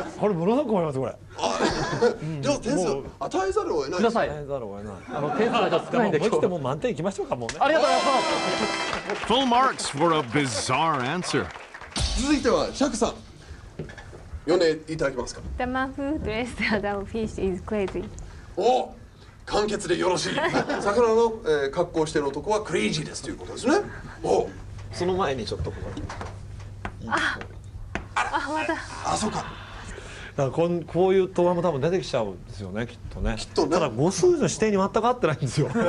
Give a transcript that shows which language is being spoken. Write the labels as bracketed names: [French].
[Japanese] これものすごく分かります、これ。じゃあ点数与えざるを得ない。ください、与えざるを得ない。あの点数が少ないんで、もう一度もう満点いきましょうか。もうね、ありがとうございます。 [English] Full marks for a bizarre answer。 [Japanese] 続いてはシャクさん、読んでいただけますか。 [English] The man who dressed as a fish is crazy。 [Japanese] お、簡潔でよろしい。魚の、格好してる男はクレイジーですということですね。お、その前にちょっとこの、あ、そうか。だから こういう答案も多分出てきちゃうんですよね、きっとね。きっとね。ただ語数の指定に全く合ってないんですよ。